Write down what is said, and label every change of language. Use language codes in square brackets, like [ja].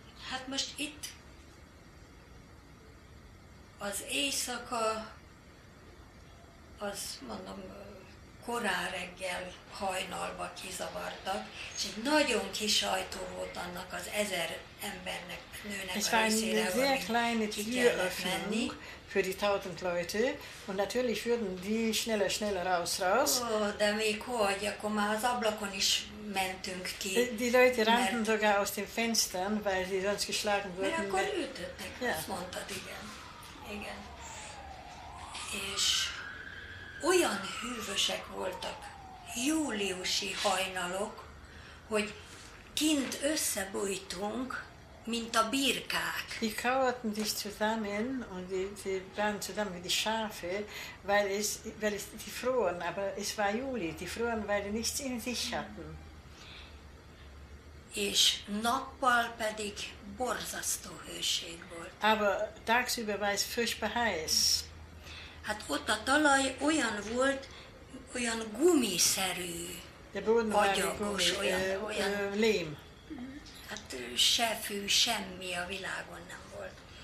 [hu] Hát most itt az éjszaka, az mondom, korán reggel hajnalba kizavartak, és egy nagyon kis ajtó volt annak az ezer embernek, nőnek es a részére, ami [de] sehr kleine [hu] ki kellett menni. [de] Für die 1000 Leute und natürlich würden die schneller raus. [hu] Oh, de még hogy, akkor már az ablakon is mentünk ki. [de] Die Leute rannten sogar aus den Fenstern, weil sie sonst geschlagen würden. [hu] Mert akkor ütöttek, ja. Azt mondtad, igen. Igen. És olyan hűvösek voltak júliusi hajnalok, hogy kint összebújtunk, mint a birkák. [de] Die kauerten sich zusammen und sie waren zusammen wie die Schafe, weil es die froren, aber es war Juli, die froren, weil sie nichts in sich hatten. [hu] És nappal pedig borzasztó hőség volt. [de] Aber tagsüber war es furchtbar heiß. [hu] Hát ott a talaj olyan volt, olyan gumiszerű, agyagos, lém. Hát se fű, semmi a világon nem volt.